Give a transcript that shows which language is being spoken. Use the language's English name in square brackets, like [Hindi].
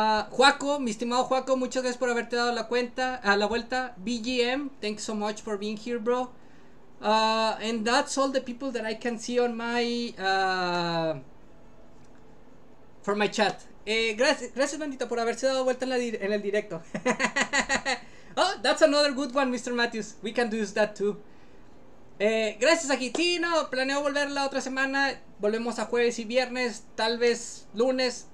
[Spanish] Juaco, mi estimado Juaco, muchas gracias por haberte dado la cuenta, la vuelta. [English] BGM, thanks so much for being here, bro. And that's all the people that I can see on my for my chat. [Spanish] Gracias bandita por haberse dado vuelta en, en el directo. [English] Oh, that's another good one, Mr. Matthews. We can do that too. [Spanish] Gracias a Gitino, planeo volver la otra semana. Volvemos a jueves y viernes, tal vez lunes.